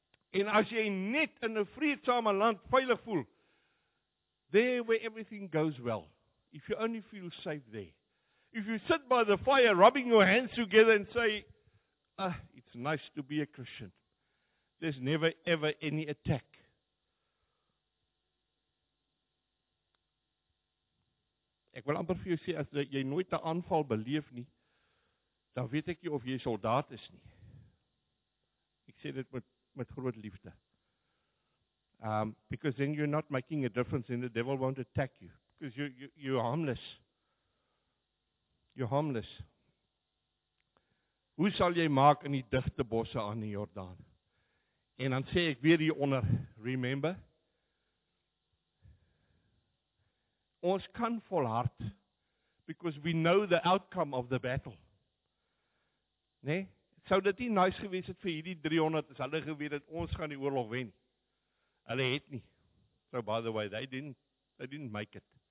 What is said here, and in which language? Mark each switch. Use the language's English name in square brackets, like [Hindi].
[Afrikaans] En as jy net in 'n vreedsame land veilig voel, [English] there where everything goes well, if you only feel safe there, if you sit by the fire rubbing your hands together and say, it's nice to be a Christian, there's never ever any attack. [Afrikaans] Ek wil amper vir jou sê, as jy nooit 'n aanval beleef nie, dan weet ek nie of jy soldaat is nie. Ek sê dit met groot liefde. [English] Because then you're not making a difference and the devil won't attack you. Because you're harmless. You're harmless. [Afrikaans] Hoe sal jy maak in die digte bosse aan die Jordaan? En dan sê ek weer hieronder, remember, ons kan volhard, [English] because we know the outcome of the battle. [Afrikaans] Nee, sou dit nie nice gewees het vir hierdie 300, as hulle geweet het, ons gaan die oorlog wen. Hulle het nie. [English] So by the way, they didn't make it.